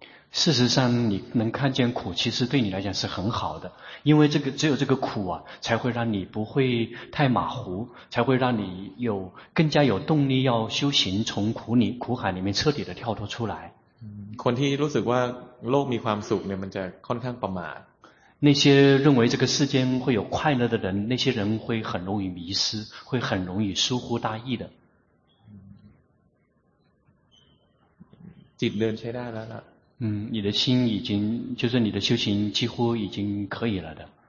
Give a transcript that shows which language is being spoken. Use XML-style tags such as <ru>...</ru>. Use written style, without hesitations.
<zh>事实上你能看见苦其实对你来讲是很好的因为这个只有这个苦啊才会让你不会太马虎才会让你有更加有动力要修行从苦海里面彻底的跳脱出来</zh> <th>คนที่รู้สึกว่าโลกมีความสุขเนี่ยมันจะค่อนข้างประมาท</th> <zh>那些认为这个世间会有快乐的人那些人会很容易迷失会很容易疏忽大意的</zh> <th>จิตเดินใช้ได้แล้วล่ะ</th> <zh>你的心已经就是你的修行几乎已经可以了的</zh>